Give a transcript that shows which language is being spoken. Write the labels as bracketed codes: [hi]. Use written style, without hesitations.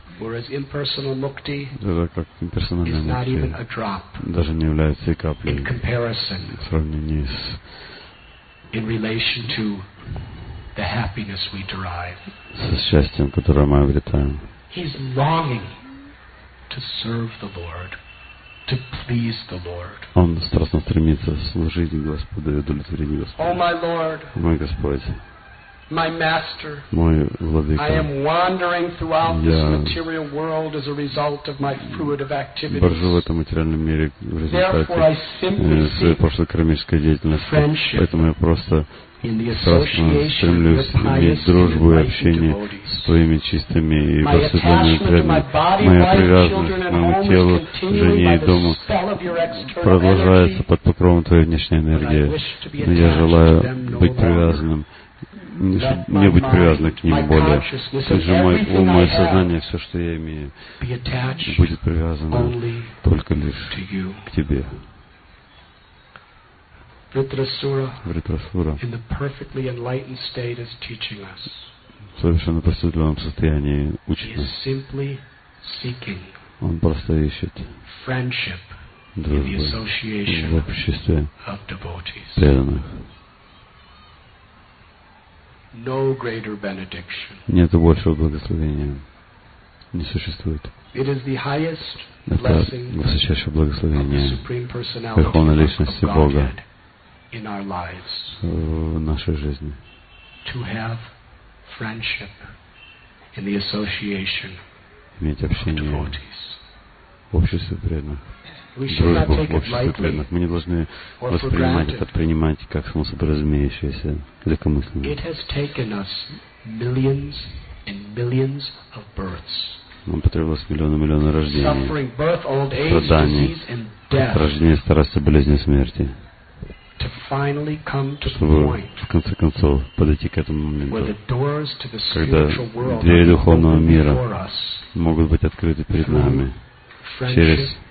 [ru] Это как имперсональная мукти даже не является и каплей в сравнении с [en] the happiness we derive. [ru] Со счастьем, которое мы обретаем. [en] He's longing to serve the Lord, to please the Lord. [ru] Он страстно стремится служить Господу и удовлетворить Господа. [en] Oh my Lord, [ru] мой Господь, [en] my Master, [ru] мой Владыка, [en] I am wandering throughout this material world as a result of my fruitive activities. [ru] Боржу в этом материальном мире в результате своей прошлой кармической деятельности. Поэтому я просто страстно стремлюсь иметь дружбу и общение с твоими чистыми и просветленными преданными. Моя привязанность к моему телу, жене и дому продолжается под покровом твоей внешней энергии. Но я желаю быть привязанным, не быть привязанным к ним более. Так же мой ум, мое сознание, все, что я имею, будет привязано только лишь к тебе. [en] Ритрасура in the perfectly enlightened state is teaching us. [ru] В совершенно просветленном состоянии учит нас. [en] Simply seeking. [ru] Он просто ищет [en] friendship in the association [ru] в обществе преданных. [en] No greater benediction. [ru] Нет большего благословения. Не существует. [en] It is the highest [ru] это высочайшее благословение Верховной Личности Бога [en] in our lives, [ru] в нашей жизни, [en] to have friendship in the association, [ru] иметь общение в обществе преданных, дружбу в обществе преданных. Мы не должны воспринимать это, принимать как само собой разумеющееся, легкомысленно. [en] It has taken us millions and millions of births. [ru] Нам потребовалось миллионы рождений, страданий, рождения, старости, болезни, смерти, чтобы в конце концов подойти к этому моменту, когда двери духовного мира могут быть открыты перед нами через